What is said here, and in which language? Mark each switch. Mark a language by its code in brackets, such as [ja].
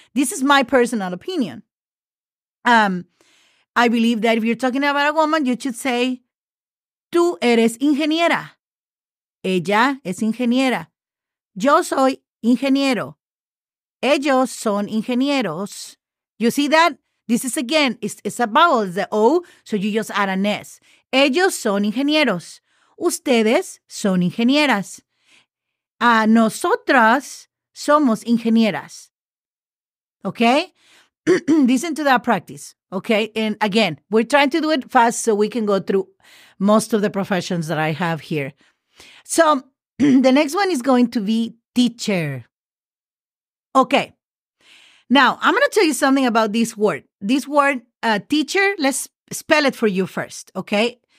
[en] This is my personal opinion. I believe that if you're talking about a woman, you should say, [es] tú eres ingeniera. Ella es ingeniera. Yo soy ingeniero. Ellos son ingenieros. [en] You see that? This is, again, it's a vowel, it's the O, so you just add an S. [es] Ellos son ingenieros. Ustedes son ingenieras. Nosotras somos ingenieras. [en] Okay? Listen to that practice. Okay? And again, we're trying to do it fast so we can go through most of the professions that I have here. So the next one is going to be teacher. Okay. Now, I'm going to tell you something about this word. This word, teacher, let's spell it for you first. Okay?